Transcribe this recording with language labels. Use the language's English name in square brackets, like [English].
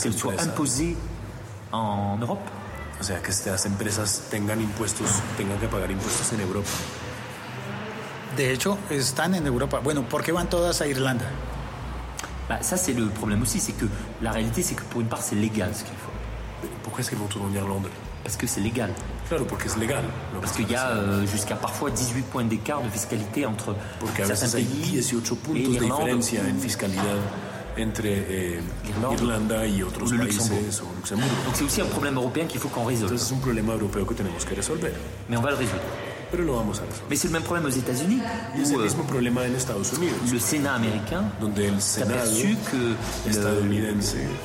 [French] Qu'elles soient imposées en Europe. [Spanish] O sea, que estas empresas tengan que pagar impuestos en Europa. De hecho, están en Europa. Bueno, ¿por qué van todas a Irlanda? [French] Bah, ça, c'est le problème aussi. C'est que la réalité, c'est que pour une part, c'est légal ce qu'ils font. Pourquoi est-ce qu'ils vont tout en Irlande? Parce que c'est légal. [Spanish] Claro, porque es legal. [French] Parce qu'il y a jusqu'à parfois 18 points d'écart de fiscalité entre certains pays. [Spanish] 18 puntos de diferencia en fiscalidad entre Irlanda y otros países, o Luxemburgo. [French] Donc c'est aussi un problème européen qu'il faut qu'on résolve. [Spanish] Entonces, es un problema europeo que tenemos que resolver. [French] Mais on va le résoudre. [Spanish] Pero lo vamos a resolver. [French] Mais c'est le même problème aux États-Unis. [Spanish] Es el mismo problema en Estados Unidos. [French] Le Sénat américain [Spanish] donde el Senado estadounidense